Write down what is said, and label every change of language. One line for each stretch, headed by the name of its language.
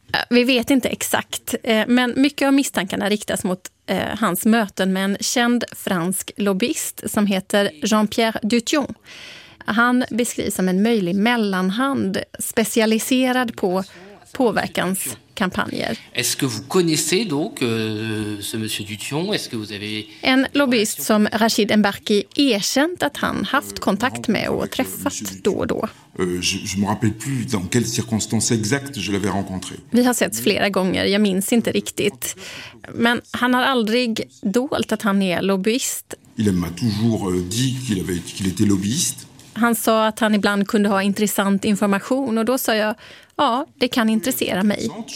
Swedish: Vi vet inte exakt, men mycket av misstankarna riktas mot hans möten med en känd fransk lobbyist som heter Jean-Pierre Dution. Han beskrivs som en möjlig mellanhand specialiserad på påverkanskampanjer.
French: Est-ce que vous connaissez donc ce monsieur Dution? Est-ce que vous avez...
Swedish: En lobbyist som Rachid Mbarki erkänt att han haft kontakt med och träffat då och då.
French: Je me rappelle plus dans quelles circonstances exactes je l'avais rencontré.
Swedish: Vi har sett flera gånger, jag minns inte riktigt. Men han har aldrig dolt att han är lobbyist.
French: Il m'a toujours dit qu'il était lobbyiste.
Swedish: Han sa att han ibland kunde ha intressant information och då sa jag, ja, det kan intressera mig.